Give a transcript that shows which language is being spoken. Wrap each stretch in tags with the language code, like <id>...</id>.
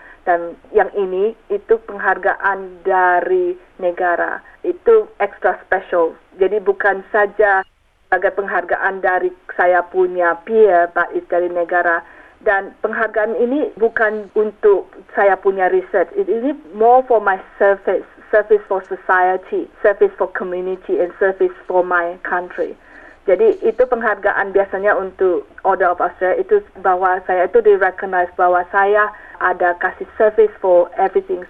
<id>Dan yang ini, itu penghargaan dari negara. Itu extra special. Jadi bukan saja sebagai penghargaan dari saya punya peer,</id> <en>but it's</en> <id>dari negara. Dan penghargaan ini bukan untuk saya punya research.</id> <en>It is more for my service, service for society, service for community, and service for my country.</en> <id>Jadi itu penghargaan biasanya untuk Order of Australia, itu bahwa saya itu di-recognize bahwa saya ada kasih</id> <en>service for everything.</en>